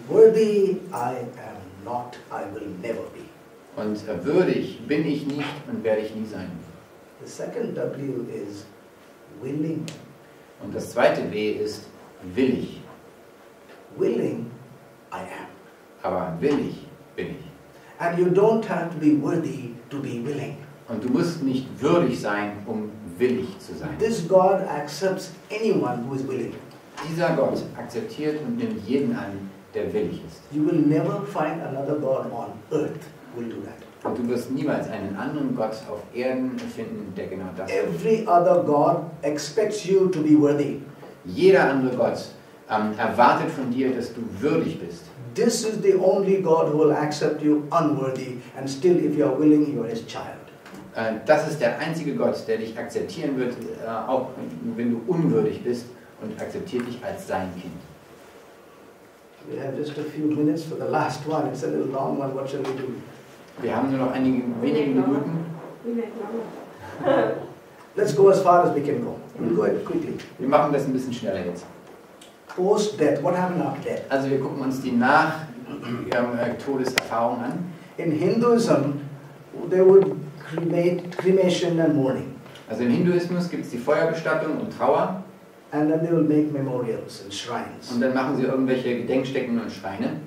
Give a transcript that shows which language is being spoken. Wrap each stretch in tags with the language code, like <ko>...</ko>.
<en>Worthy I am not, I will never be.</en> <de>Und würdig bin ich nicht und werde ich nie sein.</de> <en>The second W is willing.</en> <de>Und das zweite W ist willig.</de> <en>Willing I am.</en> <de>Aber willig bin ich.</de> <en>And you don't have to be worthy to be willing.</en> <de>Und du musst nicht würdig sein, um willig zu sein.</de> <en>This God accepts anyone who is willing.</en> <de>Dieser Gott akzeptiert und nimmt jeden an, der willig ist.</de> <en>You will never find another God on earth who will do that.</en> <de>Und du wirst niemals einen anderen Gott auf Erden finden, der genau das.</de> <en>Every other God expects you to be worthy.</en> <de>Jeder andere Gott erwartet von dir, dass du würdig bist.</de> <en>This is the only God who will accept you unworthy, and still, if you are willing, you are His child.</en> <de>Das ist der einzige Gott, der dich akzeptieren wird, auch wenn du unwürdig bist, und akzeptiert dich als sein Kind.</de> <en>We have just a few minutes for the last one. It's a little long one. What shall we do?</en> <de>Wir haben nur noch einige wenige Minuten.</de> <en>Let's go as far as we can go. We'll go ahead quickly.</en> <de>Wir machen das ein bisschen schneller jetzt.</de> <en>Post death. What happened after death?</en> <de>Also wir gucken uns die Nach-Todeserfahrung an.</de> <en>In Hinduism, they would cremation and mourning.</en> <de>Also im Hinduismus gibt es die Feuerbestattung und Trauer.</de> <en>And then they will make memorials and shrines.</en> <de>Und dann machen sie irgendwelche Gedenkstätten und Schreine.</de>